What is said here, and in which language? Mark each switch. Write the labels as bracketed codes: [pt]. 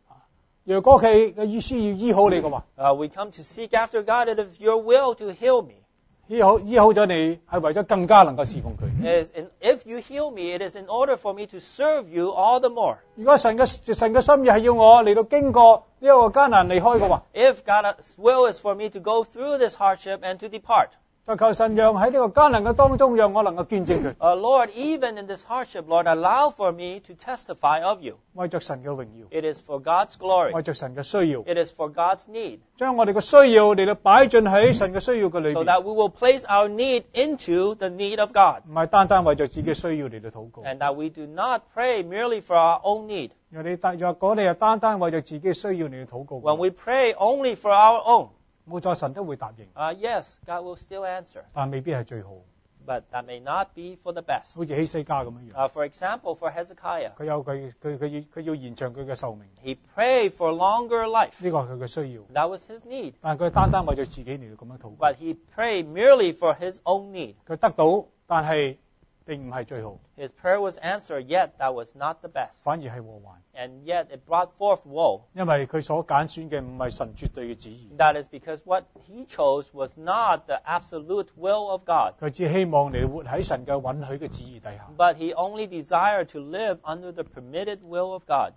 [zh] 你就来到求神，来到去若果祂的意思要医好你的话， [en] we come to seek after God, it is your will to heal me. [zh] 医好了你，是为了更加能够侍奉祂。 [en] If you heal me, it is in order for me to serve you all the more. [zh] 如果神的心意是要我来到经过这个艰难离开的话， [en] if God's will is for me to go through this hardship and to depart, [zh] 求神让在这个艰难的当中让我能够见证祂。 [en] Lord, even in this hardship, Lord, allow for me to testify of you. [zh] 为着神的荣耀。 [en] It is for God's glory. [zh] 为着神的需要。 [en] It is for God's need. [zh] 将我们的需要来摆进在神的需要的里面。 [en] So that we will place our need into the need of God. [zh] 不是单单为着自己的需要来祷告。 [en] And that we do not pray merely for our own need. [zh] 若你单单为着自己的需要来祷告。 [en] When we pray only for our own, [zh] 没错，神都会答应。 [en] Yes, God will still answer. [zh] 但未必是最好。 [en] But that may not be for the best. [zh] 好像希西家那样。 [en] For example, for Hezekiah, [zh] 他要延长他的寿命。 [en] He prayed for longer life. [zh] 这个是他的需要。 [en] That was his need. [zh] 但他单单为了自己来这样祷告。 [en] But he prayed merely for his own need. [zh] 他得到，但是并不是最好。 [en] His prayer was answered, yet that was not the best. [zh] 反而是祸患。 [en] And yet it brought forth woe. [zh] 因为他所拣选的不是神绝对的旨意。 [en] That is because what he chose was not the absolute will of God. [zh] 他只希望你活在神的允许的旨意底下。 [en] But he only desired to live under the permitted will of God.